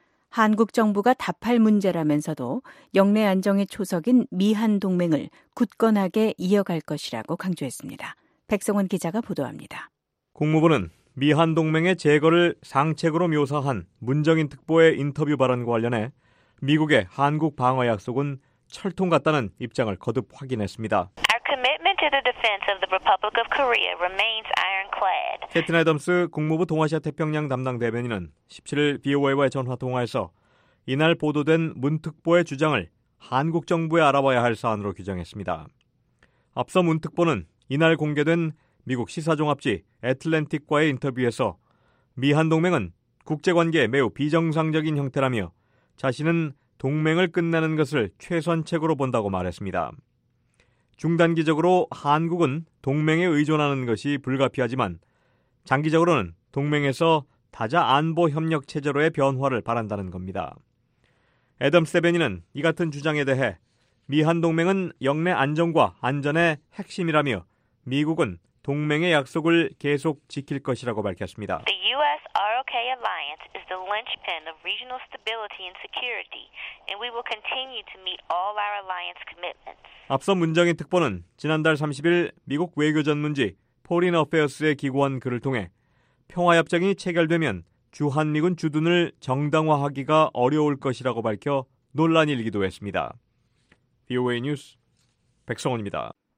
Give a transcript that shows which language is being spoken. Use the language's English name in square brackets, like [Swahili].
[Korean] 한국 정부가 답할 문제라면서도 영내 안정의 초석인 미한 동맹을 굳건하게 이어갈 것이라고 강조했습니다. 백성원 기자가 보도합니다. 국무부는 미한 동맹의 제거를 상책으로 묘사한 문정인 특보의 인터뷰 발언과 관련해 미국의 한국 방어 약속은 철통 같다는 입장을 거듭 확인했습니다. [English] Our commitment to the defense of the Republic of Korea remains ironclad. [Korean] 캐튼 애덤스 국무부 동아시아 태평양 담당 대변인은 17일 BOA와의 전화 통화에서 이날 보도된 문특보의 주장을 한국 정부에 알아봐야 할 사안으로 규정했습니다. 앞서 문특보는 이날 공개된 미국 시사종합지 애틀랜틱과의 인터뷰에서 미한 동맹은 국제관계에 매우 비정상적인 형태라며 자신은 동맹을 끝내는 것을 최선책으로 본다고 말했습니다. 중단기적으로 한국은 동맹에 의존하는 것이 불가피하지만 장기적으로는 동맹에서 다자 안보 협력 체제로의 변화를 바란다는 겁니다. 애덤스 대변인은 이 같은 주장에 대해 미한 동맹은 영내 안정과 안전의 핵심이라며 미국은 동맹의 약속을 계속 지킬 것이라고 밝혔습니다. [English] Alliance is the linchpin of regional stability and security, and we will continue to meet all our alliance commitments. [Korean] 앞서 문정인 특보는 지난달 30일 미국 외교 전문지 Foreign Affairs에 기고한 글을 통해 평화협정이 체결되면 주한 미군 주둔을 정당화하기가 어려울 것이라고 밝혀 논란이 일기도 했습니다. VOA 뉴스 백성원입니다.